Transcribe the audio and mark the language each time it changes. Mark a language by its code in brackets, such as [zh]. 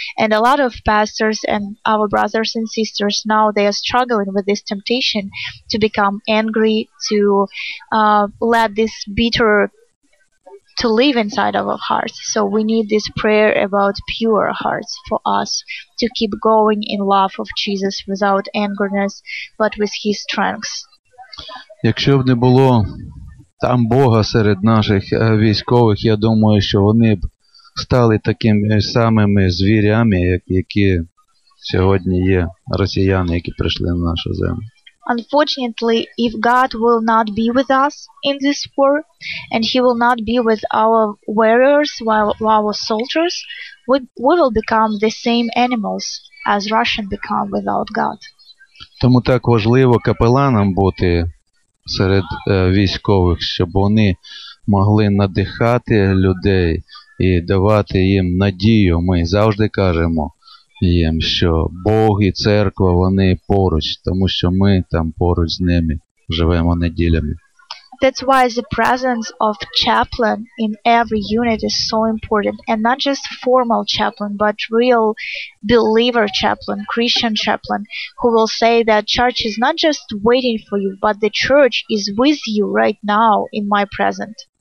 [en] And a lot of pastors and our brothers and sisters now, they are struggling with this temptation to become angry, to let this bitter to live inside of our hearts. So we need this prayer about pure hearts for us to keep going in love of Jesus without angerness, but with His strength. [uk] Якщо б не було там Бога серед наших військових, я думаю, що вони б стали такими самими звірями, які сьогодні є росіяни, які прийшли на нашу землю. [en] Unfortunately, if God will not be with us in this war, and He will not be with our warriors, our soldiers, we will become the same animals as Russians become without God. [uk] Тому так важливо капеланам бути серед військових, щоб вони могли надихати людей і давати їм надію. Ми завжди кажемо їм, що Бог і церква, вони поруч, тому що ми там поруч з ними живемо неділями. [en] That's why the presence of chaplain in every unit is so important, and not just formal chaplain, but real believer chaplain, Christian chaplain, who will say that church is not just waiting for you, but the church is with you right now in my presence.